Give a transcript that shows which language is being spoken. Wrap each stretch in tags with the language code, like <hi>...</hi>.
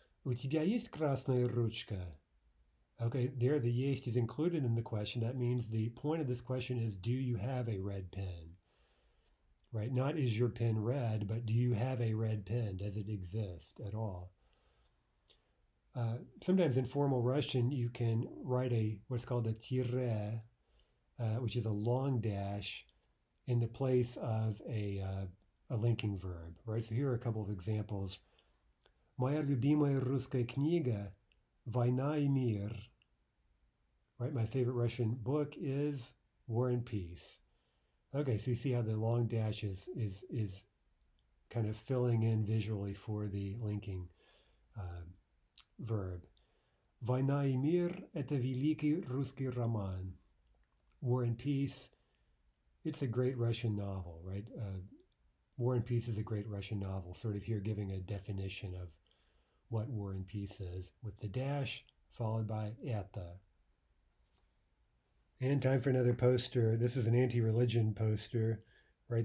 <ru>У тебя есть красная ручка?</ru> <en>Okay, there the есть is included in the question. That means the point of this question is, do you have a red pen? Right? Not is your pen red, but do you have a red pen? Does it exist at all? Sometimes in formal Russian, you can write a what's called a tire, which is a long dash, in the place of a linking verb. Right? So here are a couple of examples.</en> <ru>Моя любимая русская книга «Война и мир».</ru> <en>Right, my favorite Russian book is «War and Peace». Okay, so you see how the long dash is kind of filling in visually for the linking verb.</en> <ru>«Война и мир» — это великий русский роман.</ru> <en>«War and Peace» — it's a great Russian novel, right? «War and Peace» is a great Russian novel. Sort of here giving a definition of what War and Peace is, with the dash followed by eta. And time for another poster. This is an anti-religion poster, right?</en>